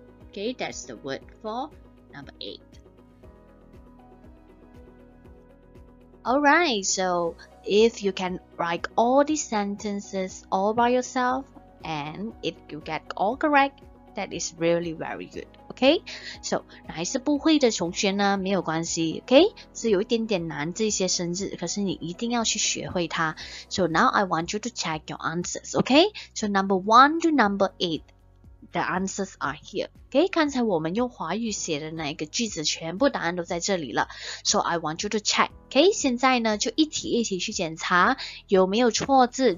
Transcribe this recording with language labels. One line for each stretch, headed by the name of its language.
English: ok that's the word for number 8Alright, so if you can write all these sentences all by yourself and if you get all correct, that is really very good, okay?
Chinese: So, 哪一次不会的同学呢？没有关系 okay? 是有一点点难这些生字，可是你一定要去学会它。
English: So now I want you to check your answers, okay? So number 1 to number 8. The answers are here.
Chinese: Okay, 刚才我们用华语写的那一个句子全部答案都在这里了。
English: So I want you to check.
Chinese: Okay, 现在呢就一题一题去检查有没有错字。